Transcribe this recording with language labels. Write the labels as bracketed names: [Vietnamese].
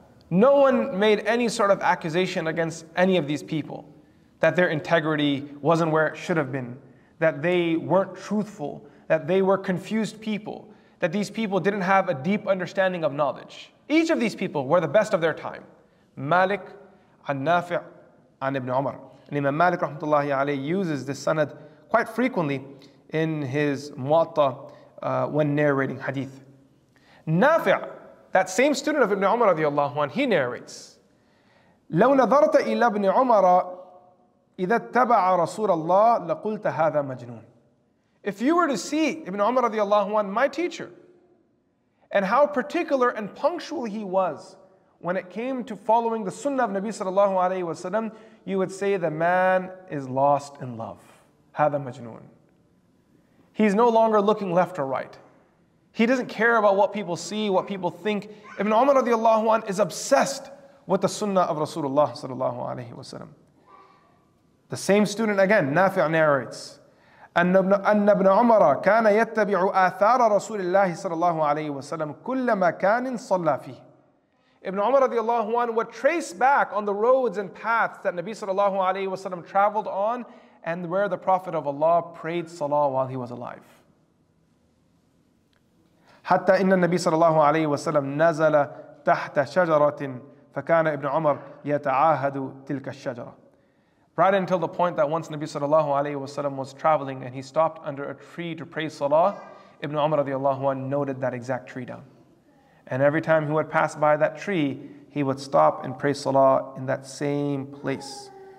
[English] No one made any sort of accusation against any of these people that their integrity wasn't where it should have been, that they weren't truthful, that they were confused people, that these people didn't have a deep understanding of knowledge. Each of these people were the best of their time. Malik an Nafi' an Ibn Umar. And Imam Malik rahmatullahi alayhi uses this sanad quite frequently in his muwatta when narrating hadith. Nafi', that same student of Ibn Umar radiallahu anhu, he narrates, [Arabic] لو نظرت إلى ابن عمر إذا اتبع رسول الله لقلت هذا مجنون. [English] If you were to see Ibn Umar radiallahu anhu, my teacher, and how particular and punctual he was when it came to following the sunnah of Nabi sallallahu alayhi wa sallam, you would say the man is lost in love. [Arabic] هذا مجنون. [English] He's no longer looking left or right. He doesn't care about what people see, what people think. Ibn Umar radiallahu anhu is obsessed with the sunnah of Rasulullah sallallahu alayhi wa sallam. The same student again, Nafi' narrates, [Arabic] أن ابن عمر كان يتبع آثار رسول الله صلى الله عليه وسلم كل مكان صلى فيه. [English] Ibn Umar radiallahu anhu would trace back on the roads and paths that Nabi sallallahu alayhi wasallam traveled on and where the Prophet of Allah prayed salah while he was alive. [Arabic] حتى إن النبي صلى الله عليه وسلم نزل تحت شجرة فكان ابن عمر يتعاهد تلك الشجرة. [English] Right until the point that once Nabi sallallahu alayhi wasallam was traveling and he stopped under a tree to pray salah, Ibn Umar radiallahu anhu noted that exact tree down. And every time he would pass by that tree, he would stop and pray salah in that same place.